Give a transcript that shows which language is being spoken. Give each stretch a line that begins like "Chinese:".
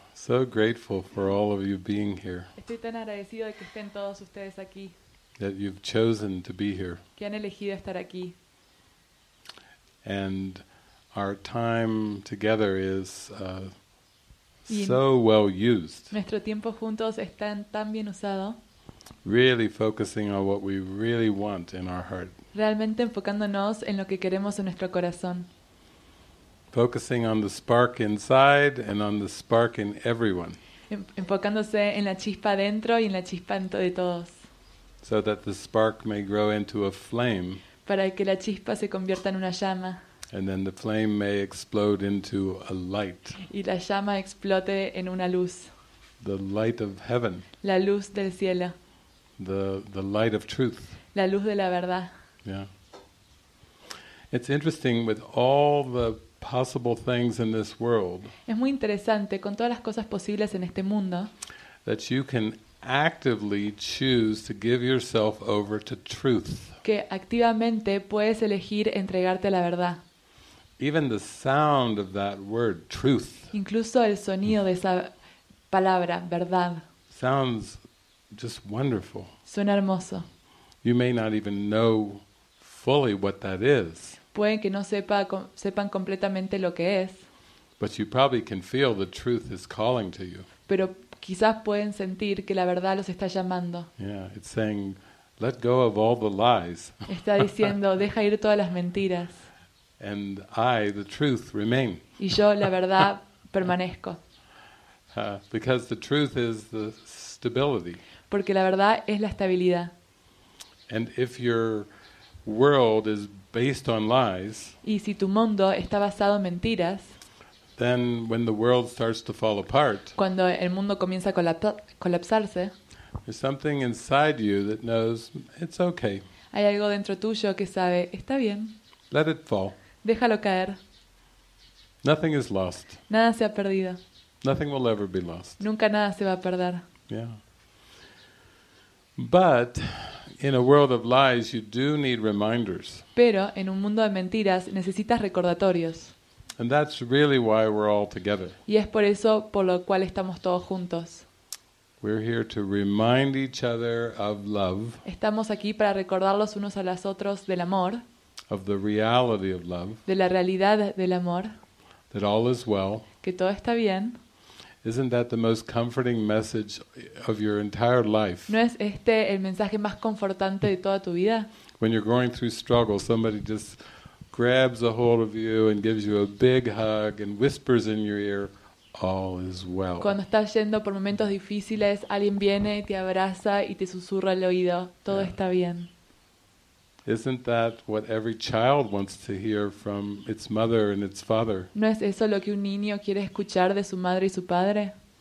English: So grateful for all of you being here.
Spanish: Estoy tan agradecido de que estén todos ustedes aquí.
English: That you've chosen to be here.
Spanish: Que han elegido estar aquí.
English: And our time together is so well used.
Spanish: Nuestro tiempo juntos está tan bien usado.
English: Really focusing on what we really want in our heart.
Spanish: Realmente enfocándonos en lo que queremos en nuestro corazón.
English: Focusing on the spark inside and on the spark in everyone.
Spanish: Enfocándose en la chispa dentro y en la chispa dentro de todos.
English: So that the spark may grow into a flame.
Spanish: Para que la chispa se convierta en una llama.
English: And then the flame may explode into a light.
Spanish: Y la llama explote en una luz.
English: The light of heaven.
Spanish: La luz del cielo.
English: The light of truth.
Spanish: La luz de la verdad. Yeah.
English: It's interesting with all the possible things in this world.
Spanish: Es muy interesante con todas las cosas posibles en este mundo.
English: That you can actively choose to give yourself over to truth.
Spanish: Que activamente puedes elegir entregarte a la verdad.
English: Even the sound of that word truth.
Spanish: Incluso el sonido de esa palabra verdad.
English: Sounds just wonderful.
Spanish: Suena hermoso.
English: You may not even know fully what that is.
Spanish: Pueden que no sepan completamente lo que es.
English: But you probably can feel the truth is calling to you.
Spanish: Pero quizás pueden sentir que la verdad los está llamando.
English: Yeah, it's saying, let go of all the lies.
Spanish: Está diciendo, deja ir todas las mentiras.
English: And I, the truth, remain.
Spanish: Y yo, la verdad, permanezco.
English: Because the truth is the stability.
Spanish: Porque la verdad es la estabilidad.
English: And if your world is based on lies.
Spanish: Y si tu mundo está basado en mentiras.
English: Then when the world starts to fall apart.
Spanish: Cuando el mundo comienza a colapsarse.
English: There's something inside you that knows it's okay.
Spanish: Hay algo dentro tuyo que sabe, está bien.
English: Let it fall.
Spanish: Déjalo caer.
English: Nothing is lost.
Spanish: Nada se ha perdido.
English: Nothing will ever be lost.
Spanish: Nunca nada se va a perder. Yeah.
English: But in a world of lies, you do need reminders.
Spanish: Pero en un mundo de mentiras necesitas recordatorios.
English: And that's really why we're all together.
Spanish: Y es por eso por lo cual estamos todos juntos.
English: We're here to remind each other of love.
Spanish: Estamos aquí para recordarlos unos a los otros del amor.
English: Of the reality of love.
Spanish: De la realidad del amor.
English: That all is well.
Spanish: Que todo está bien.
English: Isn't that the most comforting message of your entire life?
Spanish: ¿No es este el mensaje más confortante de toda tu vida?
English: When you're going through struggle, somebody just grabs a hold of you and gives you a big hug and whispers in your ear, all is well.
Spanish: Cuando estás yendo por momentos difíciles, alguien viene, te abraza y te susurra al oído, todo está bien.
English: Isn't that what every child wants to hear from its mother and its father?
Spanish: ¿No es eso lo que un niño quiere escuchar de su madre y su padre?